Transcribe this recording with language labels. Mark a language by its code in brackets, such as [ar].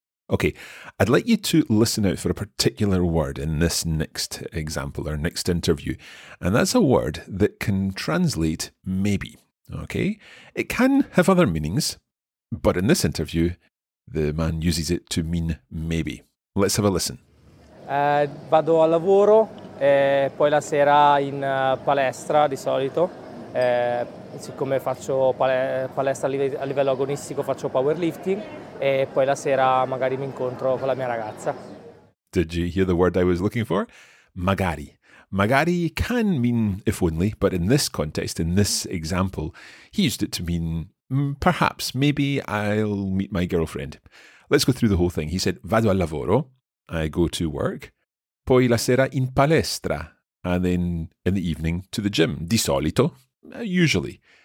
[en] Okay, I'd like you to listen out for a particular word in this next example or next interview, and that's a word that can translate maybe, okay? It can have other meanings, but in this interview, the man uses it to mean maybe. Let's have a listen. [it] Vado al lavoro, poi la sera in palestra di solito. Siccome faccio palestra a livello agonistico, faccio powerlifting e poi la sera magari mi incontro con la mia ragazza. [en] Did you hear the word I was looking for? Magari. Magari can mean if only, but in this context, in this example, he used it to mean perhaps, maybe I'll meet my girlfriend. Let's go through the whole thing. He said, [it] vado al lavoro, [en] I go to work, [it] poi la sera in palestra, [en] and then in the evening to the gym, [it] di solito. [en] Usually.